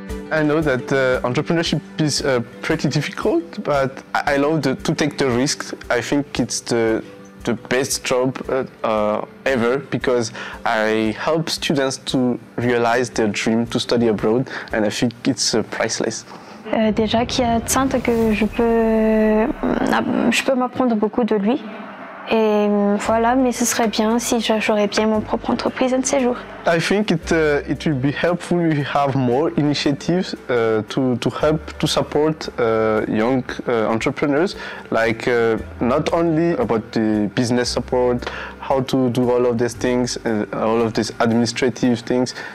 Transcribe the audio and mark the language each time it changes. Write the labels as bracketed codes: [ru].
[en] I know that entrepreneurship is pretty difficult, but I love to take the risk. I think it's the best job ever because I help students to realize their dream to study abroad, and I think it's priceless. [fr] Déjà qu'il y a Tsanta que je peux m'apprendre beaucoup de lui, et voilà. Mais ce serait bien si j'aurais bien mon propre entreprise un de ces jours. [en] I think it will be helpful if you have more initiatives to help to support young entrepreneurs, like not only about the business support, how to do all of these things, all of these administrative things.